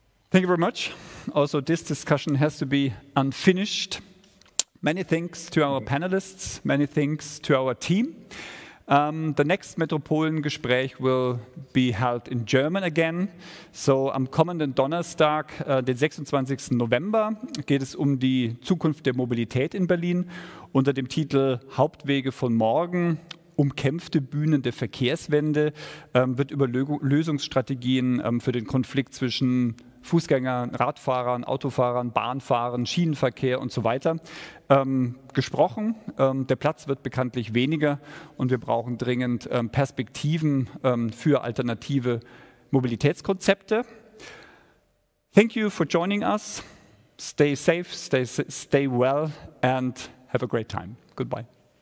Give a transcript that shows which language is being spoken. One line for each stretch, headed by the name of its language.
English: Thank you very much. Also, this discussion has to be unfinished. Many thanks to our panelists. Many thanks to our team. The next Metropolengespräch will be held in German again.
German: So am kommenden Donnerstag, den 26. November, geht es um die Zukunft der Mobilität in Berlin unter dem Titel Hauptwege von morgen. Umkämpfte Bühnen der Verkehrswende, wird über Lösungsstrategien für den Konflikt zwischen Fußgängern, Radfahrern, Autofahrern, Bahnfahrern, Schienenverkehr und so weiter gesprochen. Der Platz wird bekanntlich weniger und wir brauchen dringend Perspektiven für alternative Mobilitätskonzepte.
English: Thank you for joining us. Stay safe, stay well and have a great time. Goodbye.